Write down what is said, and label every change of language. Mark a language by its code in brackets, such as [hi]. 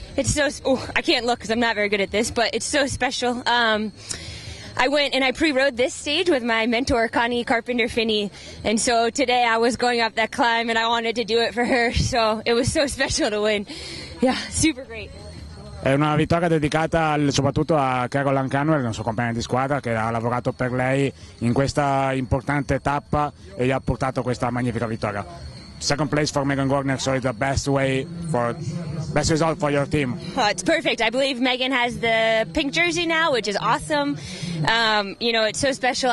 [en] It's so, I can't look because I'm not very good at this, but it's so special. I went and I pre-rode this stage with my mentor, Connie Carpenter Finney, and so today I was going up that climb and I wanted to do it for her, so it was so special to win. Yeah, super great. [it] È una vittoria dedicata soprattutto a Caroline Canwell, la sua compagna di squadra, che ha lavorato per lei in questa importante tappa e gli ha portato questa magnifica vittoria. [en] Second place for Megan Gordner, so it's the best result for your team. Oh, it's perfect. I believe Megan has the pink jersey now, which is awesome. You know, it's so special.